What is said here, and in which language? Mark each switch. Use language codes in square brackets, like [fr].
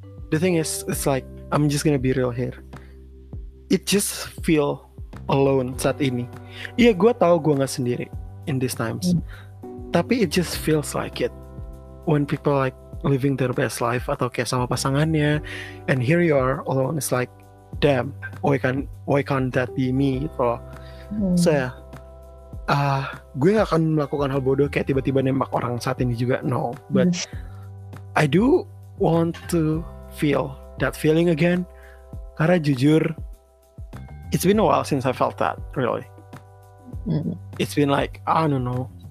[en] The thing is, it's like I'm just gonna be real here. It just feel alone [id] saat ini. Iya, gue tahu gue nggak sendiri [en] in these times. Tapi it just feels like it when people like living their best life [id] atau kayak sama pasangannya, [en] and here you are alone. It's like, damn, why can't that be me? [id] So yeah, gue nggak akan melakukan hal bodoh kayak tiba-tiba nembak orang saat ini juga. [en] No, but I do want to feel that feeling again, [id] karena jujur [en] it's been a while since I felt that really. It's been like I don't know